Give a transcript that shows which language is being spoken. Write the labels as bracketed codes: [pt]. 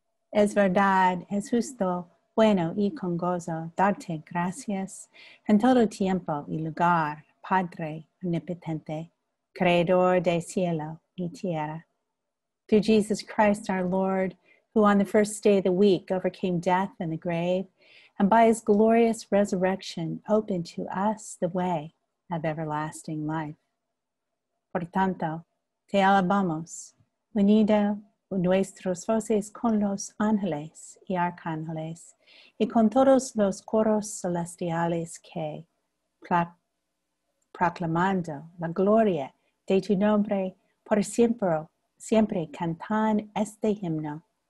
[es] Es verdad, es justo, bueno y con gozo darte gracias en todo tiempo y lugar, Padre omnipotente, creador de cielo y tierra. [en] Through Jesus Christ our Lord, who on the first day of the week overcame death and the grave, and by his glorious resurrection opened to us the way of everlasting life. [es] Por tanto, te alabamos, unido nuestros voces con los ángeles y arcángeles, y con todos los coros celestiales que, proclamando la gloria de tu nombre, por siempre, siempre cantan este himno.